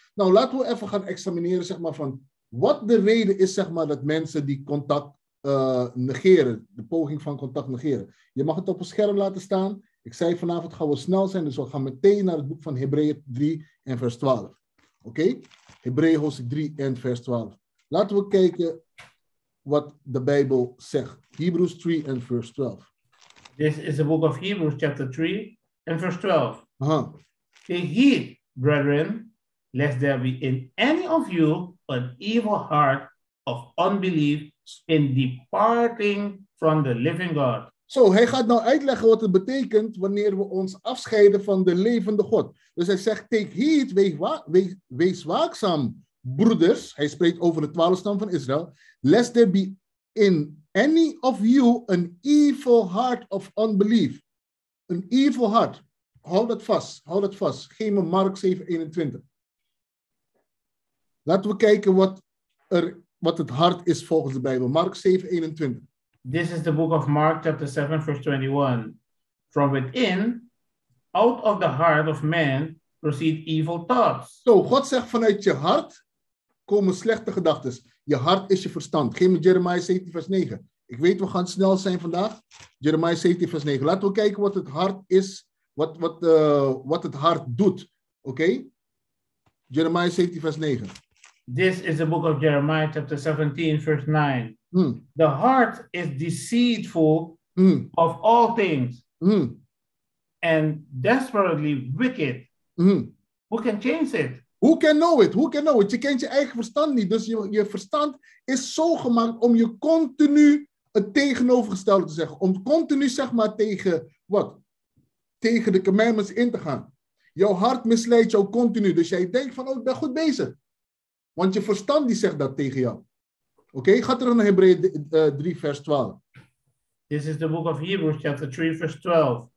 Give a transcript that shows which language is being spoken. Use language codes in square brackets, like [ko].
[nl] Nou, laten we even gaan examineren, zeg maar, van wat de reden is, zeg maar, dat mensen die contact negeren, de poging van contact negeren. Je mag het op een scherm laten staan. Ik zei vanavond gaan we snel zijn, dus we gaan meteen naar het boek van Hebreeën 3 en vers 12. Oké? Okay? Hebreeën hoofdstuk 3 en vers 12. Laten we kijken wat de Bijbel zegt. Hebrews 3 en vers 12. [en] This is the book of Hebrews chapter 3 and verse 12. Uh-huh. Take heed, brethren, lest there be in any of you an evil heart of unbelief in departing from the living God. [nl] Zo, hij gaat nou uitleggen wat het betekent wanneer we ons afscheiden van de levende God. Dus hij zegt, [en] take heed, [nl] wees waakzaam, broeders. Hij spreekt over de 12 stam van Israël. [en] Lest there be in any of you an evil heart of unbelief. [nl] Een evil heart. Houd dat vast. Geef me Mark 7:21. Laten we kijken wat het hart is volgens de Bijbel. Mark 7:21. [en] This is the book of Mark, chapter 7, verse 21. From within, out of the heart of man, proceed evil thoughts. [nl] Zo, God zegt vanuit je hart komen slechte gedachten. Je hart is je verstand. Geef me Jeremiah 17, vers 9. Ik weet, we gaan snel zijn vandaag. Jeremiah 17, vers 9. Laten we kijken wat het hart is, wat het hart doet. Oké? Okay? Jeremiah 17, vers 9. [en] This is the book of Jeremiah, chapter 17, verse 9. Mm. The heart is deceitful of all things and desperately wicked. Who can change it? Who can know it? [nl] Je kent je eigen verstand niet. Dus je verstand is zo gemaakt om je continu het tegenovergestelde te zeggen. Om continu zeg maar tegen wat? Tegen de commandments in te gaan. Jouw hart misleidt jou continu. Dus jij denkt van, oh, ik ben goed bezig. Want je verstand die zegt dat tegen jou. Oké, okay, ga terug naar Hebreeën 3, vers 12. [en] This is the book of Hebrews, chapter 3, verse 12.